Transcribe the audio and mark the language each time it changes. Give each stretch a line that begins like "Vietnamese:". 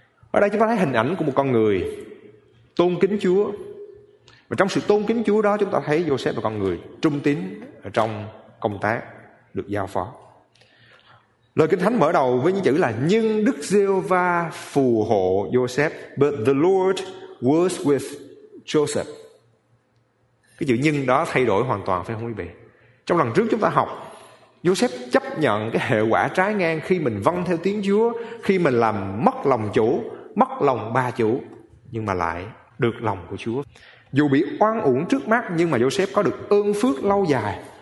Vietnamese: Ở đây chúng ta thấy hình ảnh của một con người tôn kính Chúa. Và trong sự tôn kính Chúa đó, chúng ta thấy Joseph là con người trung tín ở trong công tác được giao phó. Lời Kinh Thánh mở đầu với những chữ là: nhưng Đức Giê-hô-va phù hộ Joseph.
English: But the Lord was with Joseph.
Vietnamese: Cái chữ nhưng đó thay đổi hoàn toàn, phải không quý vị? Trong lần trước chúng ta học, Joseph chấp nhận cái hệ quả trái ngang khi mình vâng theo tiếng Chúa, khi mình làm mất lòng chủ, mất lòng ba chủ, nhưng mà lại được lòng của Chúa. Dù bị oan uổng trước mắt, nhưng mà Joseph có được ơn phước lâu dài.